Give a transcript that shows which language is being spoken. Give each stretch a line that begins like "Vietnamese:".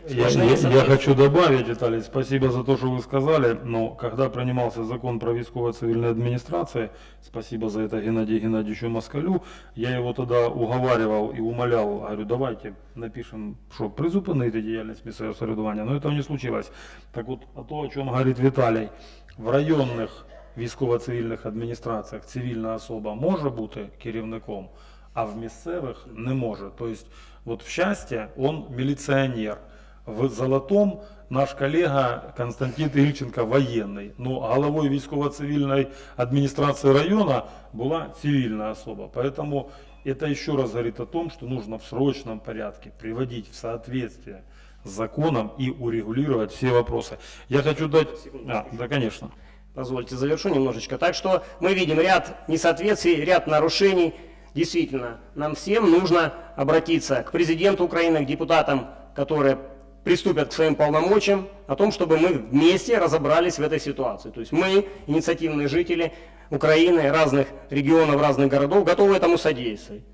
Russian: Я хочу добавить, Виталий, спасибо за то, что вы сказали, но когда принимался закон про військово-цивильной администрации, спасибо за это Геннадию Геннадьевичу Москалю, я его тогда уговаривал и умолял, говорю, давайте напишем, что призупинить деятельность местного соревнования, но этого не случилось. Так вот, а то, о чем говорит Виталий, в районных військово-цивильных администрациях цивильная особа может быть керівником,
Ukrainian: а в місцевих не може. Тобто, от в щастя, він міліціонер. В Золотом наш колега Константин Ільченко воєнний. Ну, головою військово-цивільної адміністрації району була цивільна особа. Тому це ще раз говорить о тому, що потрібно в срочному порядку приводити в соответствие з законом і урегулювати всі питання. Я хочу дати... Да, звісно.
Russian: Позвольте, завершу немножечко.
Ukrainian: Так що ми бачимо
Russian: ряд несоответствий, ряд нарушень. Действительно, нам всем нужно обратиться к президенту Украины, к депутатам, которые приступят к своим полномочиям, о том, чтобы мы вместе разобрались в этой ситуации. То есть мы, инициативные жители Украины, разных регионов, разных городов, готовы этому содействовать.